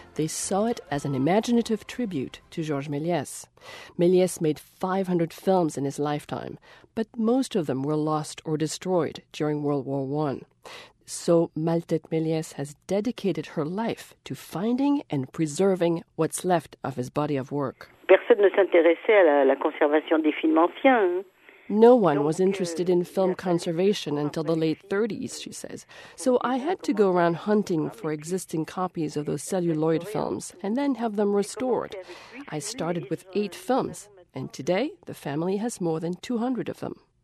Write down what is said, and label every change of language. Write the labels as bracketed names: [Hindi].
[English] They saw it as an imaginative tribute to Georges Melies. Melies made 500 films in his lifetime, but most of them were lost or destroyed during World War I. So Maltet Melies has dedicated her life to finding and preserving what's left of his body of work. [French] Personne ne s'intéressait à la conservation des films anciens. [English] No one was interested in film conservation until the late 30s, she says. So I had to go around hunting for existing copies of those celluloid films and then have them restored. I started with 8 films, and today the family has more than 200 of them.